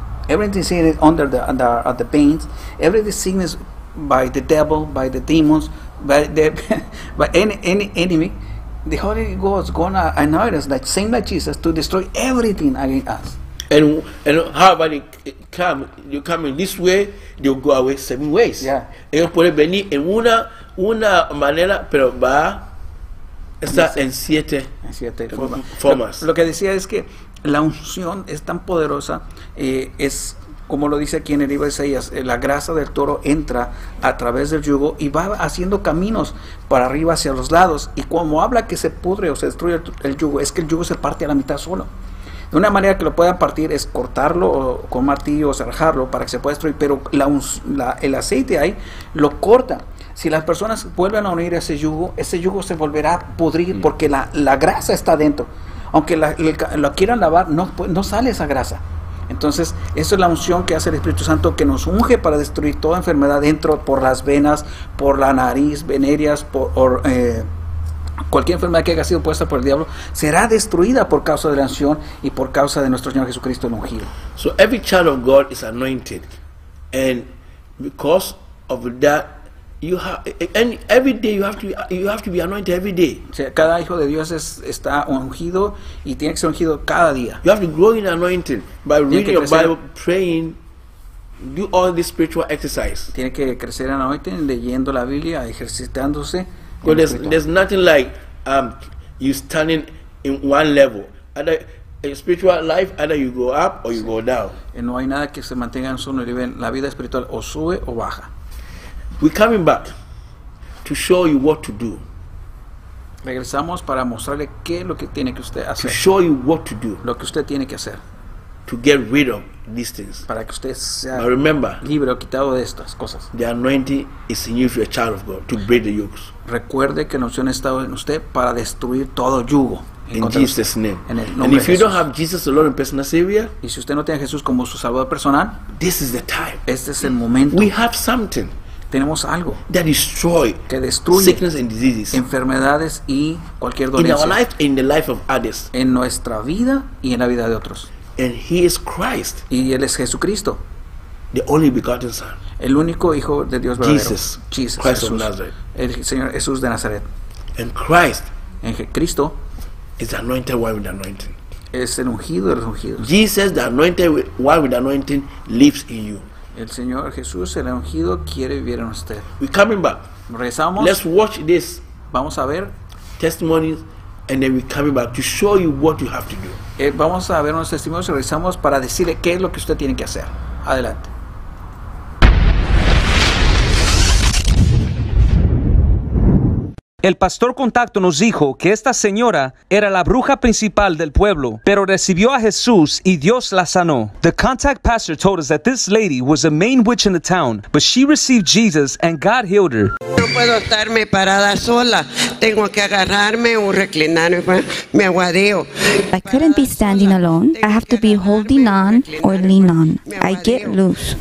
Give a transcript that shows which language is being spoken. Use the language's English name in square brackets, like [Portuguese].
[English] Everything sickness under the veins, everything sickness by the devil, by the demons, by any enemy. The Holy Ghost gonna anoint us, that same like Jesus, to destroy everything against us. And how about it? You come in this way, they'll go away seven ways. Yeah. [Spanish] Ellos pueden venir en una manera, pero va a estar en siete formas. Lo que decía es que la unción es tan poderosa, es como lo dice aquí en el libro de Isaías, la grasa del toro entra a través del yugo y va haciendo caminos para arriba hacia los lados. Y como habla que se pudre o se destruye el yugo, es que el yugo se parte a la mitad solo. De una manera que lo puedan partir es cortarlo con martillo o cerrarlo para que se pueda destruir, pero el aceite ahí lo corta. Si las personas vuelven a unir a ese yugo se volverá a pudrir porque la grasa está dentro. Aunque lo quieran lavar, no sale esa grasa. Entonces, eso es la unción que hace el Espíritu Santo, que nos unge para destruir toda enfermedad dentro, por las venas, por la nariz, venerias, cualquier enfermedad que haya sido puesta por el diablo, será destruida por causa de la unción y por causa de nuestro Señor Jesucristo el ungido. [English] So every child of God is anointed, and because of that, you have to be anointed every day. [Spanish] O sea, cada hijo de Dios está ungido y tiene que ser ungido cada día. [English] You have to grow in anointing by reading your Bible, praying, do all this spiritual exercise. [Spanish] Tiene que crecer en anointing leyendo la Biblia, ejercitándose. [English] Because there's nothing like you standing in one level. Either in spiritual life, either you go up or you go down. [Spanish] Y no hay nada que se mantenga en su nivel. La vida espiritual o sube o baja. [English] We're coming back to show you what to do. [Spanish] Regresamos para mostrarle qué es lo que tiene que usted hacer. [English] To show you what to do. [Spanish] Lo que usted tiene que hacer. [English] To get rid of these things. [Spanish] Para que usted sea, [English] now remember, [Spanish] libre o quitado de estas cosas. [English] The anointing is in you if you're a child of God to break the yokes. [Spanish] Recuerde que la unción está en usted para destruir todo yugo. [English] In Jesus' name. [Spanish] En el nombre de Jesús. [English] And if you don't have Jesus the Lord in personal Savior, [Spanish] y si usted no tiene a Jesús como su Salvador personal, [English] this is the time. [Spanish] Este es el momento. [English] We have something. [Spanish] Tenemos algo [English] that destroy [Spanish] que destruye [English] sickness and diseases, [Spanish] enfermedades y cualquier dolencia, [English] in our life, in the life of others, [Spanish] en nuestra vida y en la vida de otros. [English] And he is Christ, [Spanish] y él es Jesucristo, [English] the only begotten son, [Spanish] el único hijo de Dios verdadero, [English] Jesus Christ, Jesús, of Nazareth, [Spanish] el Señor Jesús de Nazaret. [English] And Christ, [Spanish] en Cristo, [English] is the anointed one with the anointing. [Spanish] Es el ungido de los ungidos. [English] Jesus, the anointed one with the anointing, lives in you. [Spanish] El Señor Jesús, el ungido, quiere vivir en usted. [English] We're coming back. [Spanish] Regresamos. [English] Let's watch this. [Spanish] Vamos a ver [English] testimonies, and then we're coming back to show you what you have to do. [Spanish] Vamos a ver unos testimonios y regresamos para decirle qué es lo que usted tiene que hacer. Adelante. El pastor contacto nos dijo que esta señora era la bruja principal del pueblo, pero recibió a Jesús y Dios la sanó. [English] The contact pastor told us that this lady was the main witch in the town, but she received Jesus and God healed her. [Spanish] No puedo estarme parada sola. Tengo que agarrarme o reclinarme. Me aguadeo. [English] I couldn't be standing alone. I have to be holding on or lean on. I get loose.